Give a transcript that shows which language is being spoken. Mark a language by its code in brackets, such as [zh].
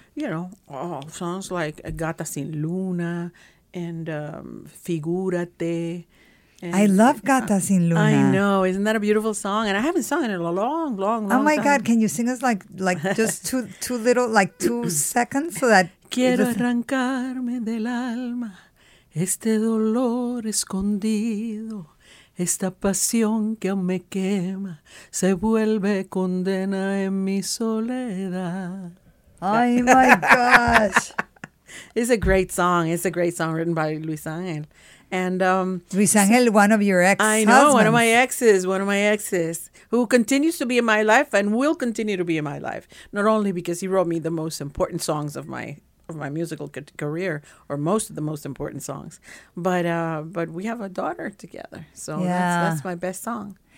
[en] You know, songs like Gata Sin Luna and Figúrate. And I love Gata Sin Luna. I know. Isn't that a beautiful song? And I haven't sung it in a long, long, long time. Oh, my God. Can you sing us like just two seconds? So that [es] Quiero arrancarme del alma este dolor escondido. Esta pasión que aún me quema se vuelve condena en mi soledad. [en] Ay, my gosh. It's a great song. It's a great song written by Luis Ángel. And Luis Ángel, one of your ex-husbands. I know, one of my exes, who continues to be in my life and will continue to be in my life, not only because he wrote me the most important songs of my musical career, or most of the most important songs, but we have a daughter together, so that's my best song.